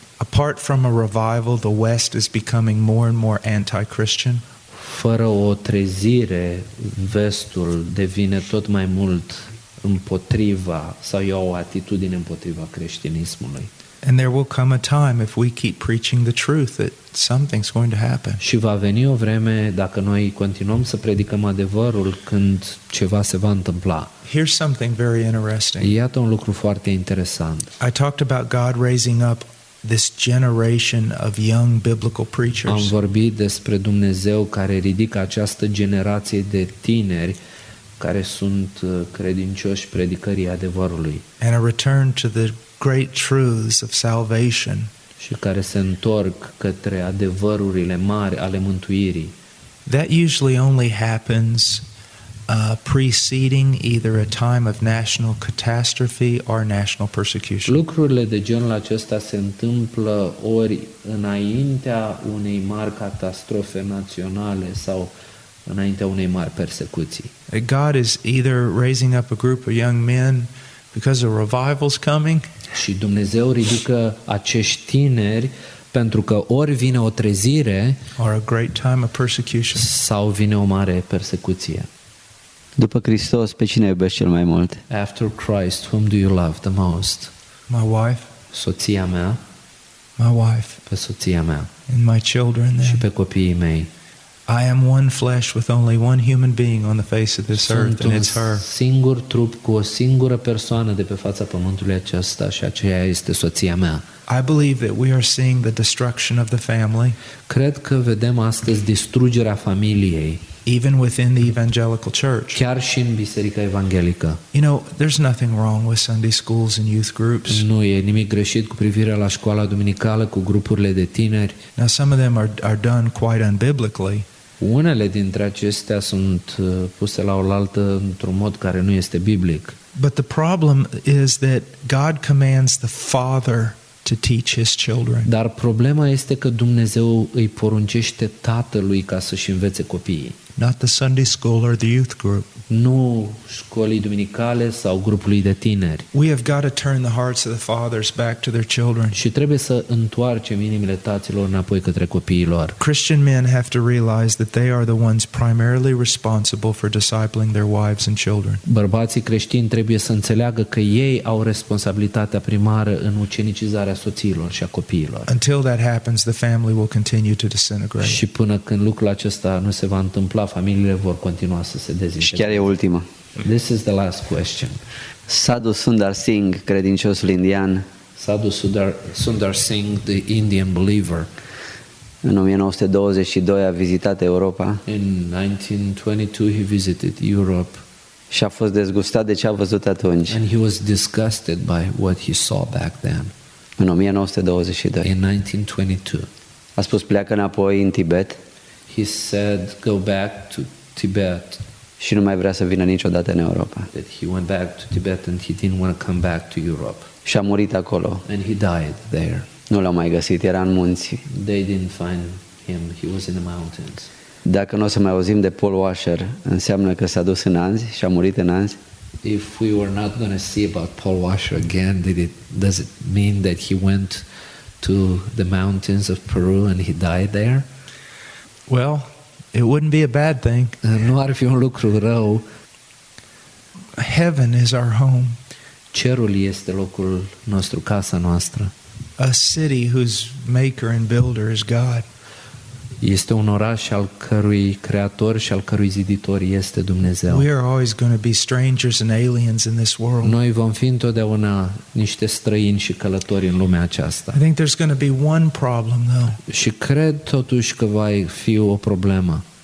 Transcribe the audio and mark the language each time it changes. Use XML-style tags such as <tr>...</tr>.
<en>Apart from a revival, the West is becoming more and more anti-Christian.</en> <ro>Fără o trezire, vestul devine tot mai mult împotriva sau ia o atitudine împotriva creștinismului.</ro> <en>And there will come a time if we keep preaching the truth that something's going to happen.</en> <ro>Și va veni o vreme dacă noi continuăm să predicăm adevărul când ceva se va întâmpla.</ro> <en>Here's something very interesting.</en> <ro>Iată un lucru foarte interesant.</ro> <en>I talked about God raising up this generation of young biblical preachers.</en> <ro>Am vorbit despre Dumnezeu care ridică această generație de tineri care sunt credincioși predicării adevărului.</ro> <en>And a return to the great truths of salvation.</en> <ro>Și care se întorc către adevărurile mari ale mântuirii.</ro> <en>That usually only happens preceding either a time of national catastrophe or national persecution.</en> <ro>Lucrurile de genul acesta se întâmplă ori înaintea unei mari catastrofe naționale sau înaintea unei mari persecuții.</ro> <en>God is either raising up a group of young men because a revival's coming.</en> <ro>Și Dumnezeu ridică acești tineri pentru că ori vine o trezire</ro> <en>or a great time of persecution.</en> <ro>Sau vine o mare persecuție. După Hristos, pe cine iubești cel mai mult?</ro> <en>After Christ, whom do you love the most? My wife.</en> <ro>Soția mea.</ro> <en>My wife.</en> <ro>Pe soția mea.</ro> <en>And my children.</en> <ro>Și pe copiii mei.</ro> <en>I am one flesh with only one human being on the face of this earth, and it's her.</en> <ro>Singur trup cu o singură persoană de pe fața pământului acesta, și aceea este soția mea.</ro> <en>I believe that we are seeing the destruction of the family.</en> <ro>Cred că vedem astăzi distrugerea familiei.</ro> <en>Even within the evangelical church.</en> <ro>Chiar și în biserica evanghelică.</ro> <en>You know, there's nothing wrong with Sunday schools and youth groups.</en> <ro>Nu e nimic greșit cu privire la școala duminicală, cu grupurile de tineri.</ro> <en>Now some of them are done quite unbiblically.</en> <ro>Unele dintre acestea sunt puse la oaltă într-un mod care nu este biblic.</ro> <en>But the problem is that God commands the father to teach his children.</en> <ro>Dar problema este că Dumnezeu îi poruncește tatălui ca să își învețe copiii.</ro> <en>Not the Sunday school or the youth group.</en> <ro>Nu școlii duminicale sau grupului de tineri.</ro> <en>We have got to turn the hearts of the fathers back to their children.</en> <ro>Și trebuie să întoarcem inimile taților înapoi către copiilor.</ro> <en>Christian men have to realize that they are the ones primarily responsible for discipling their wives and children.</en> <ro>Bărbații creștini trebuie să înțeleagă că ei au responsabilitatea primară în ucenicizarea soțiilor și a copiilor.</ro> <en>Until that happens, the family will continue to disintegrate.</en> <ro>Și până când lucrul acesta nu se va întâmpla, familiile vor continua să se dezintegreze. Și chiar e ultima.</ro> <en>This is the last question.</en> <ro>Sadhu Sundar Singh, credinciosul indian.</ro> <en>Sadhu Sundar Singh, the Indian believer.</en> <ro>În 1922 a vizitat Europa.</ro> <en>In 1922 he visited Europe.</en> <ro>Și a fost dezgustat de ce a văzut atunci.</ro> <en>And he was disgusted by what he saw back then.</en> <ro>În 1922.</ro> <en>In 1922.</en> <ro>A spus pleacă înapoi în Tibet.</ro> <en>He said, go back to Tibet.</en> <ro>Și nu mai vrea să vină niciodată în Europa.</ro> <en>That he went back to Tibet and he didn't want to come back to Europe.</en> <ro>Și a murit acolo.</ro> <en>And he died there.</en> <ro>Nu l-au mai găsit, era în munți.</ro> <en>They didn't find him, he was in the mountains.</en> <ro>Dacă nu o să mai auzim de Paul Washer, înseamnă că s-a dus în anzi și a murit în anzi?</ro> <en>If we were not going to see about Paul Washer again, does it mean that he went to the mountains of Peru and he died there? Well, it wouldn't be a bad thing.</en> <ro>Nu ar fi un lucru rău.</ro> <en>Heaven is our home.</en> <ro>Cerul este locul nostru, casa noastră.</ro> <en>A city whose maker and builder is God.</en> <ro>Este un oraș al cărui creator și al cărui ziditor este Dumnezeu.</ro> <en>We are always going to be strangers and aliens in this world.</en> <ro>Noi vom fi întotdeauna niște străini și călători în lumea aceasta.</ro> <en>I think there's going to be one problem though.</en> <ro>Și cred totuși că va fi o problemă.</ro>